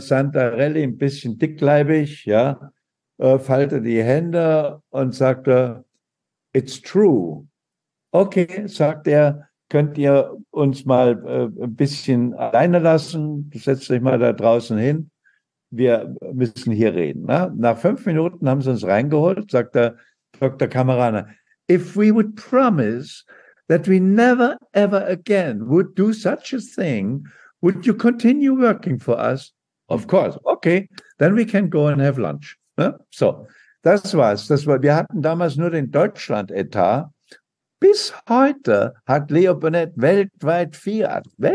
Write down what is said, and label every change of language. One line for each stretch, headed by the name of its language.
German: Santarelli, ein bisschen dickleibig, ja, faltet die Hände und sagt,
English: it's true.
German: Okay, sagt er, könnt ihr uns mal ein bisschen alleine lassen? Setzt euch mal da draußen hin. Wir müssen hier reden. Na? Nach 5 Minuten haben sie uns reingeholt, sagt er, Dr.
English: Camarana, if we would promise that we never ever again would do such a thing, would you continue working for us? Of course. Okay, then we can go and have lunch.
German: Ja? So, das war's. Das war, wir hatten damals nur den Deutschland-Etat. Bis heute hat Leo Burnett weltweit Fiat.